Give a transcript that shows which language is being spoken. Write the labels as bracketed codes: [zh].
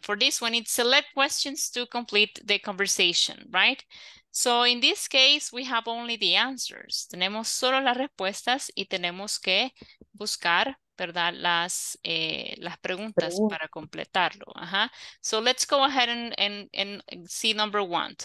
[en] For this one, it's select questions to complete the conversation, right? So in this case, we have only the answers. [es] Tenemos solo las respuestas y tenemos que buscar, ¿verdad? Las preguntas para completarlo. Ajá. [en] So let's go ahead and see number one.